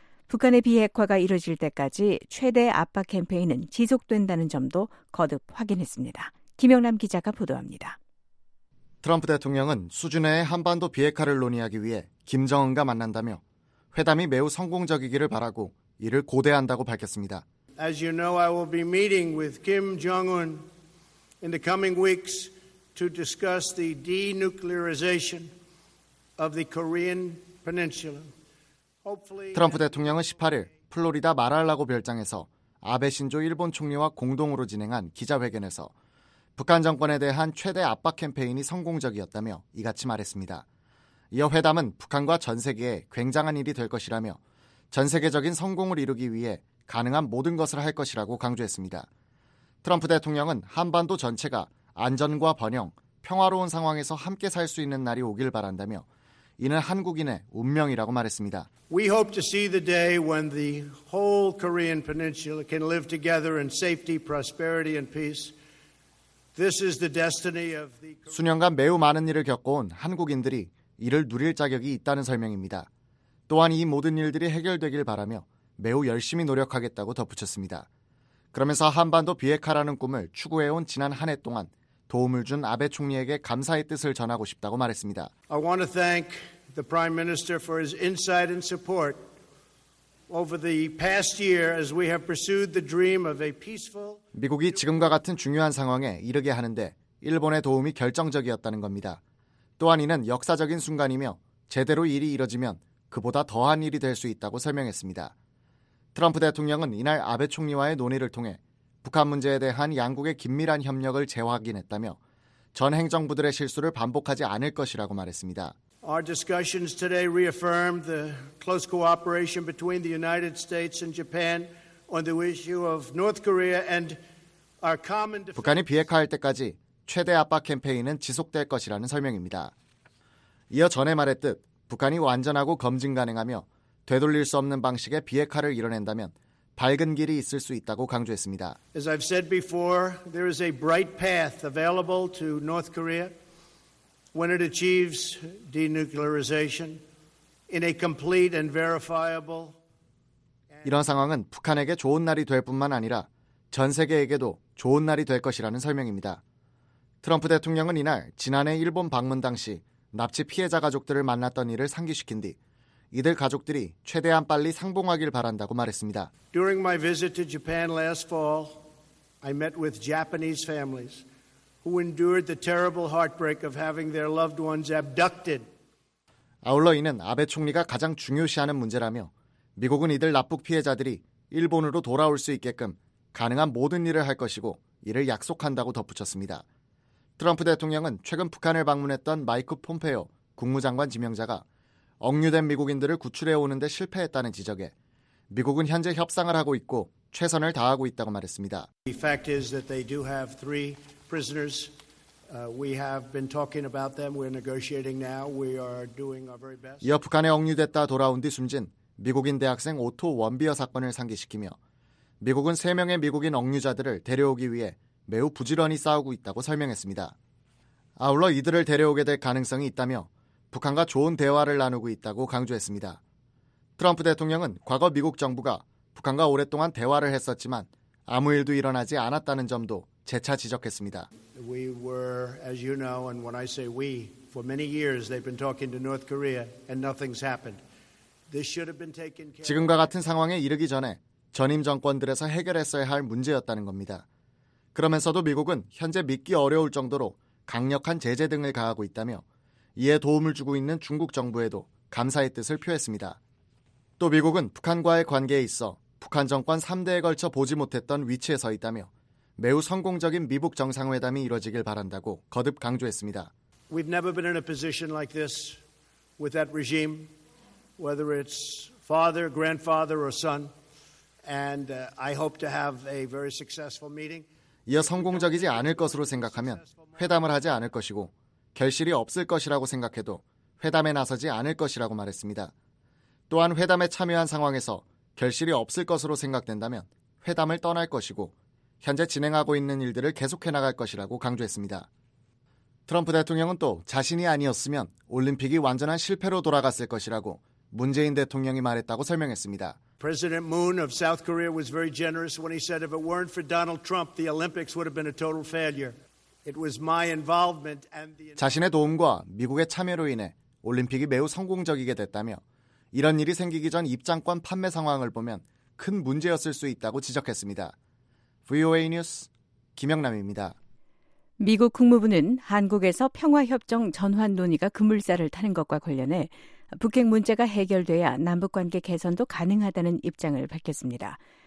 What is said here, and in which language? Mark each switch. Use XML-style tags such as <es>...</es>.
<ko>북한의 비핵화가 이루어질 때까지 최대 압박 캠페인은 지속된다는 점도 거듭 확인했습니다. 김영남 기자가 보도합니다. 트럼프 대통령은 수준의 한반도 비핵화를 논의하기 위해 김정은과 만난다며 회담이 매우 성공적이기를 바라고 이를 고대한다고 밝혔습니다.</ko> <en>As you know, I will be meeting with Kim Jong-un in the coming weeks to discuss the denuclearization of the Korean Peninsula.</en> <ko>트럼프 대통령은 18일 플로리다 마랄라고 별장에서 아베 신조 일본 총리와 공동으로 진행한 기자회견에서 북한 정권에 대한 최대 압박 캠페인이 성공적이었다며 이같이 말했습니다. 이어 회담은 북한과 전 세계에 굉장한 일이 될 것이라며 전 세계적인 성공을 이루기 위해 가능한 모든 것을 할 것이라고 강조했습니다. 트럼프 대통령은 한반도 전체가 안전과 번영, 평화로운 상황에서 함께 살 수 있는 날이 오길 바란다며 이는 한국인의 운명이라고 말했습니다.</ko> <en>We hope to see the day when the whole Korean Peninsula can live together in safety, prosperity and peace. This is the destiny of the</en> <ko>수년간 매우 많은 일을 겪어온 한국인들이 이를 누릴 자격이 있다는 설명입니다. 또한 이 모든 일들이 해결되길 바라며 매우 열심히 노력하겠다고 덧붙였습니다. 그러면서 한반도 비핵화라는 꿈을 추구해온 지난 한 해 동안 도움을 준 아베 총리에게 감사의 뜻을 전하고 싶다고 말했습니다.</ko> <en>I want to thank the Prime Minister for his insight and support over the past year as we have pursued the dream of a peaceful</en> <ko>미국이 지금과 같은 중요한 상황에 이르게 하는데 일본의 도움이 결정적이었다는 겁니다. 또한 이는 역사적인 순간이며 제대로 일이 이뤄지면 그보다 더한 일이 될 수 있다고 설명했습니다. 트럼프 대통령은 이날 아베 총리와의 논의를 통해 북한 문제에 대한 양국의 긴밀한 협력을 재확인했다며 전 행정부들의 실수를 반복하지 않을 것이라고 말했습니다.</ko> <en>Our discussions today reaffirm the close cooperation between the United States and Japan on the issue of North Korea and our common defense.</en> <ko>북한이 비핵화할 때까지 최대 압박 캠페인은 지속될 것이라는 설명입니다. 이어 전에 말했듯 북한이 완전하고 검증 가능하며 되돌릴 수 없는 방식의 비핵화를 이뤄낸다면 밝은 길이 있을 수 있다고 강조했습니다.</ko> <en>As I've said before, there is a bright path available to North Korea when it achieves denuclearization in a complete and verifiable.</en> <ko>이런 상황은 북한에게 좋은 날이 될 뿐만 아니라 전 세계에게도 좋은 날이 될 것이라는 설명입니다. 트럼프 대통령은 이날 지난해 일본 방문 당시 납치 피해자 가족들을 만났던 일을 상기시킨 뒤 이들 가족들이 최대한 빨리 상봉하길 바란다고 말했습니다.</ko> <en>During my visit to Japan last fall, I met with Japanese families who endured the terrible heartbreak of having their loved ones abducted.</en> <ko>아울러 이는 아베 총리가 가장 중요시하는 문제라며 미국은 이들 납북 피해자들이 일본으로 돌아올 수 있게끔 가능한 모든 일을 할 것이고 이를 약속한다고 덧붙였습니다. 트럼프 대통령은 최근 북한을 방문했던 마이크 폼페오 국무장관 지명자가 억류된 미국인들을 구출해오는데 실패했다는 지적에 미국은 현재 협상을 하고 있고 최선을 다하고 있다고 말했습니다.</ko> <en>The fact is that they do have three prisoners. We have been talking about them. We're negotiating now. We are doing our very best.</en> <ko>이어 북한에 억류됐다 돌아온 뒤 숨진 미국인 대학생 오토 원비어 사건을 상기시키며 미국은 3명의 미국인 억류자들을 데려오기 위해 매우 부지런히 싸우고 있다고 설명했습니다. 아울러 이들을 데려오게 될 가능성이 있다며 북한과 좋은 대화를 나누고 있다고 강조했습니다. 트럼프 대통령은 과거 미국 정부가 북한과 오랫동안 대화를 했었지만 아무 일도 일어나지 않았다는 점도 재차 지적했습니다.</ko> <en>We were, as you know, and when I say we, for many years they've been talking to North Korea and nothing's happened. This should have been taken care of.</en> <ko>지금과 같은 상황에 이르기 전에 전임 정권들에서 해결했어야 할 문제였다는 겁니다. 그러면서도 미국은 현재 믿기 어려울 정도로 강력한 제재 등을 가하고 있다며 이에 도움을 주고 있는 중국 정부에도 감사의 뜻을 표했습니다. 또 미국은 북한과의 관계에 있어 북한 정권 3대에 걸쳐 보지 못했던 위치에 서 있다며 매우 성공적인 미북 정상회담이 이뤄지길 바란다고 거듭 강조했습니다.</ko> <en>We've never been in a position like this with that regime, whether it's father, grandfather or son. And I hope to have a very successful meeting.</en> <ko>이어 성공적이지 않을 것으로 생각하면 회담을 하지 않을 것이고 결실이 없을 것이라고 생각해도 회담에 나서지 않을 것이라고 말했습니다. 또한 회담에 참여한 상황에서 결실이 없을 것으로 생각된다면 회담을 떠날 것이고 현재 진행하고 있는 일들을 계속해 나갈 것이라고 강조했습니다. 트럼프 대통령은 또 자신이 아니었으면 올림픽이 완전한 실패로 돌아갔을 것이라고 문재인 대통령이 말했다고 설명했습니다.</ko> <en>President Moon of South Korea was very generous when he said if it weren't for Donald Trump, the Olympics would have been a total failure. It was my involvement and the</en> <ko>자신의 도움과 미국의 참여로 인해 올림픽이 매우 성공적이게 됐다며 이런 일이 생기기 전 입장권 판매 상황을 보면 큰 문제였을 수 있다고 지적했습니다. VOA 뉴스 김영남입니다. 미국 국무부는 한국에서 평화협정 전환 논의가 급물살을 타는 것과 관련해 북핵 문제가 해결돼야 남북관계 개선도 가능하다는 입장을 밝혔습니다.</ko>